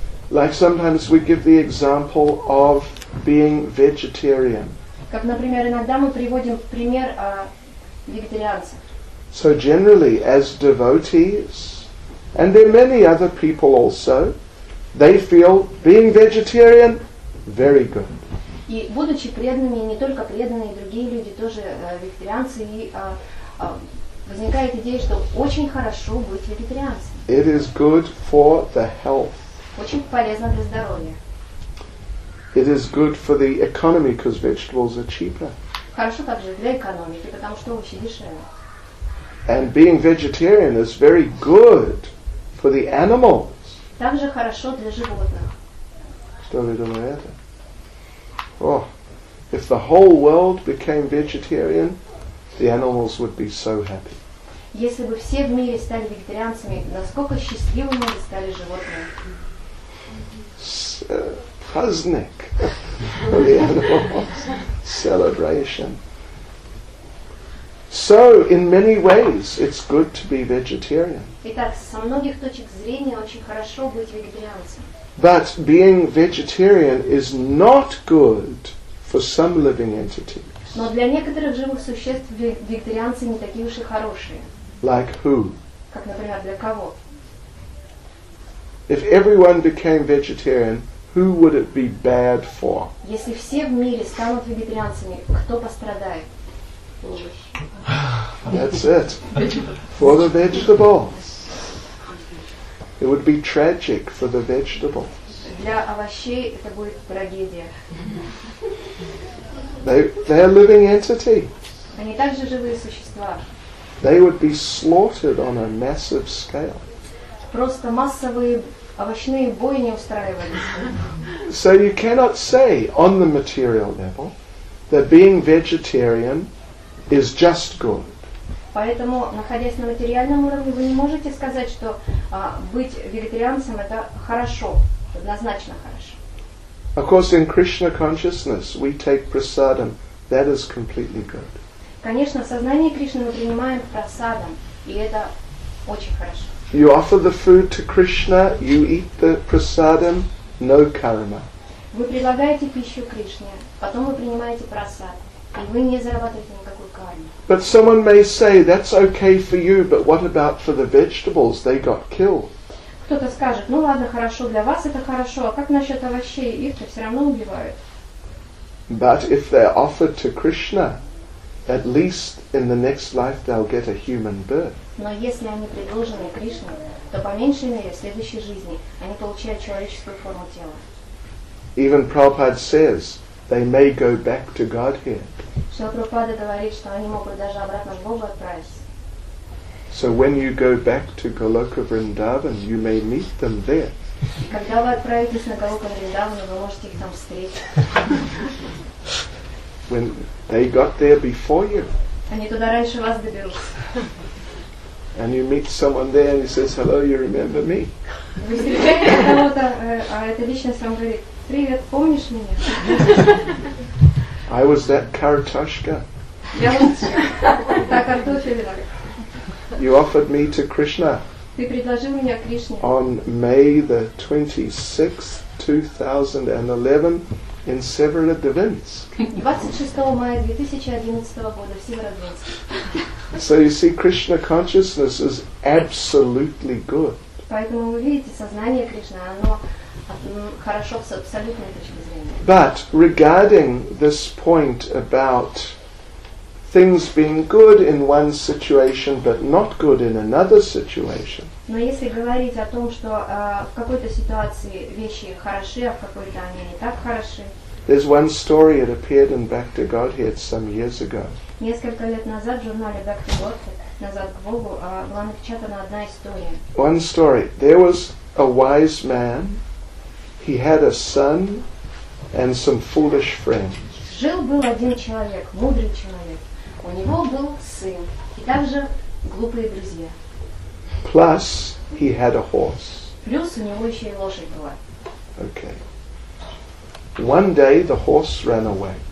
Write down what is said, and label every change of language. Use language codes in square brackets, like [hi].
[en] Like sometimes we give the example of being vegetarian. [ru] Как, например, иногда мы приводим пример вегетарианцев. [en] So generally, as devotees, and there are many other people also, they feel being vegetarian very good. [ru] И будучи преданными, не только преданные, другие люди тоже вегетарианцы, и возникает идея, что очень хорошо быть вегетарианцем. [en] It is good for the health. [ru] Очень полезно для здоровья. [en] It is good for the economy because vegetables are cheaper. [ru] Хорошо также для экономики, потому что овощи дешевле. [en] And being vegetarian is very good for the animals. [ru] Также хорошо для животных. Что вы думаете? [en] Oh, if the whole world became vegetarian, the animals would be so happy. [ru] Если бы все в мире стали вегетарианцами, насколько счастливыми бы стали животные? Праздник. [en] The animals. Celebration. So, in many ways, it's good to be vegetarian. [ru] Итак, со многих точек зрения очень хорошо быть вегетарианцем. [en] But being vegetarian is not good for some living entities. [ru] Но для некоторых живых существ вегетарианцы не такие уж и хорошие. [en] Like who? [ru] Как, например, для кого? [en] If everyone became vegetarian, who would it be bad for? [ru] Если все в мире станут вегетарианцами, кто пострадает? [en] That's it. For the vegetables. It would be tragic for the vegetables. [ru] Для овощей это будет трагедия. [en] They are living entity. [ru] Они также живые существа. [en] They would be slaughtered on a massive scale. [ru] Просто массовые овощные бойни устраивались. [en] So you cannot say on the material level that being vegetarian is just good. [ru] Поэтому, находясь на материальном уровне, вы не можете сказать, что быть вегетарианцем это хорошо, однозначно хорошо. [en] Of course, in Krishna consciousness, we take prasadam. That is completely good. [ru] Конечно, в сознании Кришны мы принимаем прасадам, и это очень хорошо. [en] You offer the food to Krishna, you eat the prasadam, no karma. [ru] Вы предлагаете пищу Кришне, потом вы принимаете прасад, и вы не зарабатываете никакой кармы. [en] But someone may say, that's okay for you, but what about for the vegetables? They got killed. [ru] Кто-то скажет, ну ладно, хорошо, для вас это хорошо, а как насчет овощей? Их-то все равно убивают. [en] But if they're offered to Krishna, at least in the next life they'll get a human birth. [ru] Но если они предложены Кришне, то по меньшей мере в следующей жизни они получают человеческую форму тела. [en] Even Prabhupada says, they may go back to Godhead. [ru] Шрила Прабхупада говорит, что они могут даже обратно к Богу отправиться. [en] So when you go back to Goloka Vrindavan, you may meet them there. [ru] Когда вы отправитесь на Голока Вриндаван, вы можете их там встретить. [en] When they got there before you. [ru] Они туда раньше вас доберутся. [en] And you meet someone there and he says, "Hello, you remember me?" [ru] Вы встречаете кого-то, а эта личность вам говорит: "Привет, помнишь меня?" [en] I was that [ru] Картошка. Я вот та картофелина. [en] You offered me to Krishna. [ru] Ты предложил меня Кришне. [en] On May the 26th, 2011, in Severodvinsk. [ru] 26 мая 2011 года в Северодвинске. [en] So you see, Krishna consciousness is absolutely good. [ru] Поэтому вы видите, сознание Кришны, оно хорошо с абсолютной точки зрения. [en] But regarding this point about things being good in one situation but not good in another situation. [ru] Но если говорить о том, что в какой-то ситуации вещи хороши, а в какой-то они не так хороши. [en] There's one story that appeared in Bhakti Godhead some years ago. [ru] Несколько лет назад в журнале Bhakti Godhead, назад к Богу, была напечатана одна история. [en] One story. There was a wise man. He had a son and some foolish friends. [ru] Жил был один человек, мудрый человек. У него был сын и также глупые друзья. [en] Plus he had a horse. [ru] Плюс у него еще и лошадь была. [en] Okay. One day the horse ran away.